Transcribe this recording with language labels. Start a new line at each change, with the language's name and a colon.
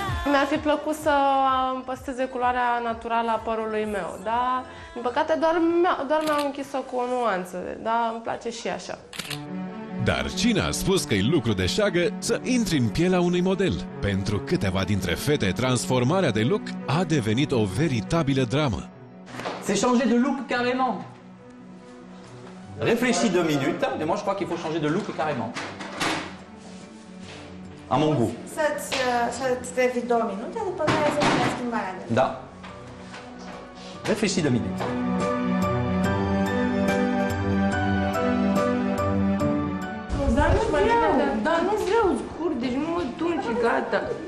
Romanian: Mi-ar fi plăcut să păsteze culoarea naturală a părului meu, dar, din păcate, doar mi-am închis-o cu o nuanță, dar îmi place și așa. Dar cine a spus că e lucru de șagă să intri în pielea unui model? Pentru câteva dintre fete, transformarea de look a devenit o veritabilă dramă. S-a schimbat de look carrément.
French: Réfléchis deux minutes, mais moi je crois qu'il faut changer de look carrément. À mon goût.
Romanian: Ça te trebuie 2 minute, după care să faci schimbarea.
French: Da. Réfléchis deux minutes.
Romanian: Dar nu vreau, dar nu vreau scurt, deci nu mă tun și gata.